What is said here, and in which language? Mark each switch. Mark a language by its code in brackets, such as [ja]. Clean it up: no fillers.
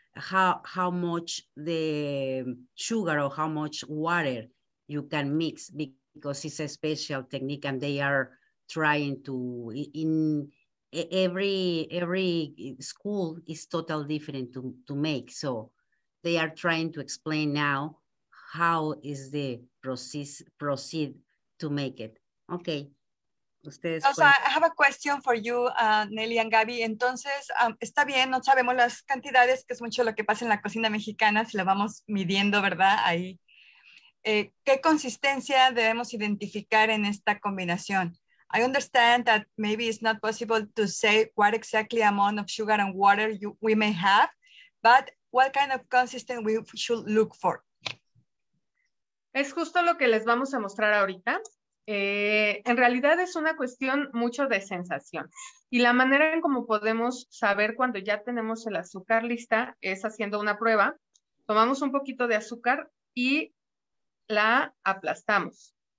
[en] how much the sugar or how much water you can mix, because it's a special technique and they are trying to, in every school is totally different to make. So they are trying to explain now how is the process proceed to make it. Okay. [es] O sea, [en] I have a question for you, Nelly and Gaby. [es] Entonces, está bien, no sabemos las cantidades, que es mucho lo que pasa en la cocina mexicana, si la vamos midiendo, ¿verdad? Ahí. ¿Qué consistencia debemos identificar en esta combinación? [en] I understand that maybe it's not possible to say what exactly amount of sugar and water we may have, but what kind of consistency we should look for? [es] Es justo lo que les vamos a mostrar ahorita. En realidad es una cuestión mucho de sensación y la manera en cómo podemos saber cuando ya tenemos el azúcar lista es haciendo una prueba. Tomamos un poquito de azúcar y la aplastamos.